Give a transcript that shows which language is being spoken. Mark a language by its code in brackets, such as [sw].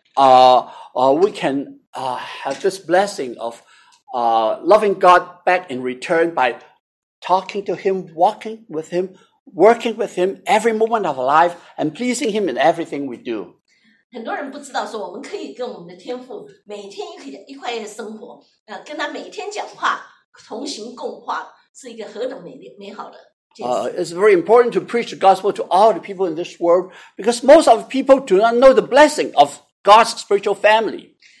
[en] We can have this blessing of loving God back in return by talking to Him, walking with Him, working with Him every moment of our life, and pleasing Him in everything we do. [zh] 很多人不知道说我们可以跟我们的天父每天一块一块生活，跟他每天讲话，同行共话，是一个何等美好的。 [en] It's very important to preach the gospel to all the people in this world because most of the people do not know the blessing of God's spiritual family.